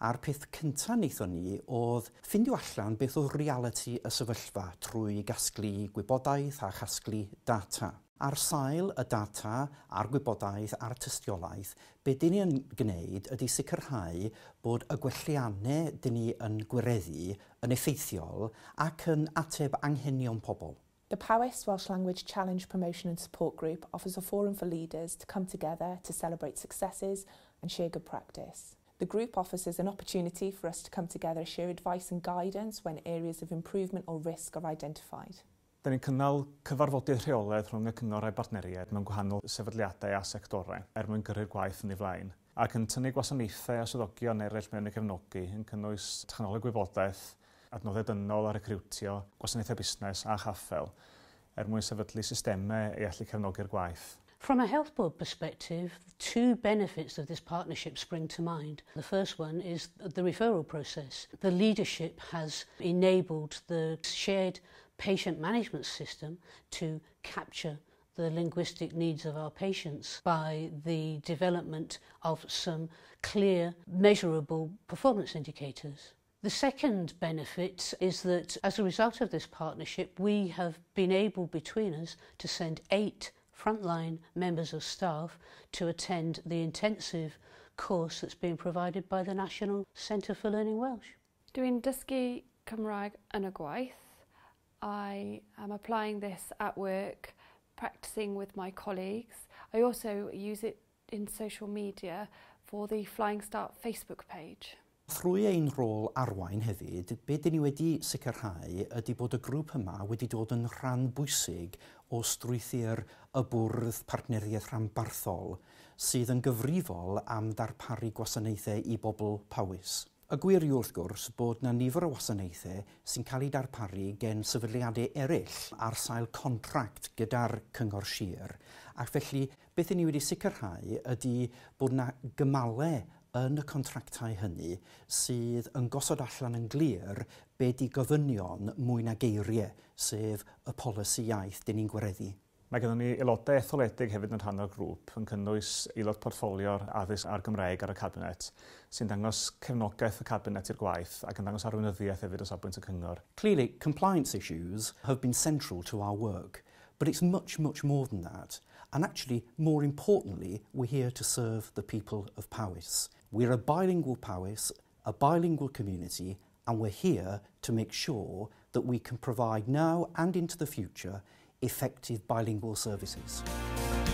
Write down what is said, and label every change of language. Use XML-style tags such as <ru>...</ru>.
<cy>A'r peth cyntaf wnaethon ni oedd ffeindio allan beth oedd realiti y sefyllfa trwy gasglu gwybodaeth a chasglu data. Ar sail y data a'r gwybodaeth a'r tystiolaeth, be dyn ni'n gwneud ydy sicrhau bod y gwelliannau dyn ni yn gwireddu yn effeithiol ac yn ateb anghenion pobl.</cy> <en>The Powys Welsh Language Challenge Promotion and Support Group offers a forum for leaders to come together to celebrate successes and share good practice. The group offers an opportunity for us to come together to share advice and guidance when areas of improvement or risk are identified.</en> <cy>Dyn ni'n cynnal cyfarfodydd rheolaidd rhwng y cyngor a'i partneriaid mewn gwahanol sefydliadau a sectorau er mwyn gyrru'r gwaith yn ei flaen, ac yn tynnu gwasanaethau a swyddogion eraill mewn i cefnogi yn cynnwys technoleg gwybodaeth, adnoddau dynol a recriwtio, gwasanaethau busnes a chaffel er mwyn sefydlu systemau i allu cefnogi'r gwaith.</cy> <en>From a health board perspective, two benefits of this partnership spring to mind. The first one is the referral process. The leadership has enabled the shared patient management system to capture the linguistic needs of our patients by the development of some clear, measurable performance indicators. The second benefit is that as a result of this partnership, we have been able between us to send 8 frontline members of staff to attend the intensive course that's being provided by the National Centre for Learning Welsh.</en> <cy>Dwi'n dysgu Cymraeg yn y gwaith.</cy> <en>I am applying this at work, practicing with my colleagues. I also use it in social media for the Flying Start Facebook page.</en> <cy>Trwy ein rôl arwain hefyd, be dyn ni wedi sicrhau ydy bod y grŵp yma wedi dod yn rhan bwysig o strwythu'r y bwrdd partneriaeth rhanbarthol sydd yn gyfrifol am darparu gwasanaethau i bobl Powys. Y gwir yw wrth gwrs bod na nifer o wasanaethau sy'n cael eu darparu gen sefydliadau eraill ar sail contract gyda'r Cyngor Sir. Ac felly, beth ni wedi sicrhau ydy bod na gymalau yn y contractau hynny sydd yn gosod allan yn glir be di gofynion mwy na geiriau, sef y polisi iaith dyn ni'n gwireddu. Mae gennym ni aelodau etholedig hefyd yn rhan o'r grŵp yn cynnwys aelod portffolio'r addysg a'r Gymraeg ar y cabinet sy'n dangos cefnogaeth y cabinet i'r gwaith ac yn dangos arweinyddiaeth hefyd o safbwynt y cyngor.</cy> <en>Clearly, compliance issues have been central to our work, but it's much, much more than that. And actually, more importantly, we're here to serve the people of Powys. We're a bilingual Powys, a bilingual community, and we're here to make sure that we can provide now and into the future effective bilingual services.</en>